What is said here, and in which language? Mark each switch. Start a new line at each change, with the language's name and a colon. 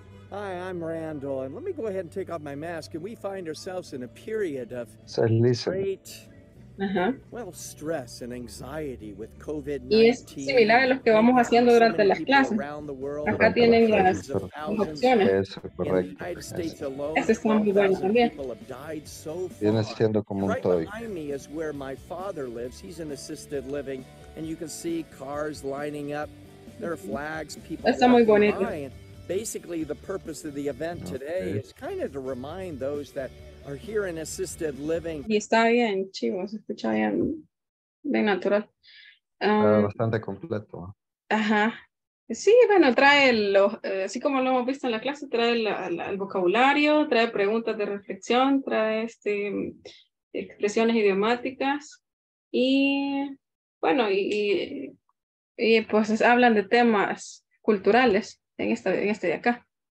English: Hi, I'm Randall, and let me go ahead and take off my mask, and we find ourselves in a period of great... Uh-huh. Well, stress and anxiety with COVID-19.
Spanish: Y es similar a los que vamos haciendo durante las clases. Acá tienen las opciones. Eso, correcto. Este es un video también. Viene siendo como un toy.
English: Right behind me is where my father lives. He's in assisted living. And you can see cars lining up. There are flags. People
Spanish: está muy bonito.
English: Basically, the purpose of the event today is kind of to remind those that are here in assisted living.
Spanish: Y está bien, chivo, se escucha bien, bien natural. Bastante completo. Ajá. Sí, bueno, trae así como lo hemos visto en la clase, trae el vocabulario, trae preguntas de reflexión, trae expresiones idiomáticas y, bueno, y pues hablan de temas culturales en este de acá.